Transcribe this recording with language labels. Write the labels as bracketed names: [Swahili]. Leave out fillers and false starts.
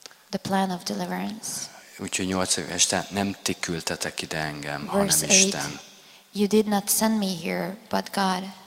[English] The plan of deliverance. [Hungarian] Úgyhogy 8. vers, tehát nem ti küldtetek ide engem, hanem Isten. [English] You did not send me here, but God.